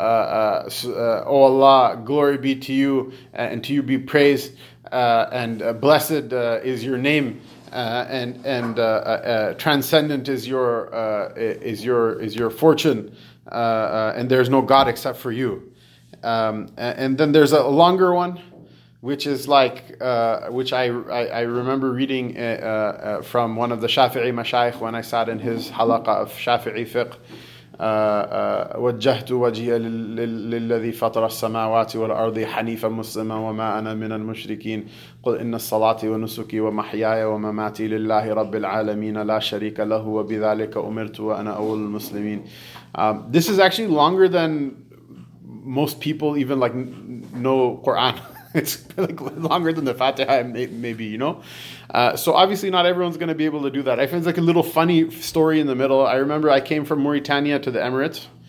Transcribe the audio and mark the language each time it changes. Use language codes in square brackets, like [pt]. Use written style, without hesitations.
[en] Oh Allah, glory be to you, and to you be praise, and blessed is your name, and transcendent is your fortune, and there is no God except for you. And then there's a longer one, which is like, which I remember reading from one of the Shafi'i mashayikh when I sat in his halaqa of Shafi'i fiqh. [ar] وجهت وجهي للذي فطر السماوات والأرض حنيفا مسلما وما أنا من المشركين قل إن الصلاة ونسكي ومحياي ومماتي لله رب العالمين لا شريك له وبذلك أمرت وأنا أول المسلمين. [en] This is actually longer than most people even like know Quran. It's like longer than the Fatiha, maybe, you know. So obviously not everyone's going to be able to do that. I find it's like a little funny story in the middle. I remember I came from Mauritania to the Emirates.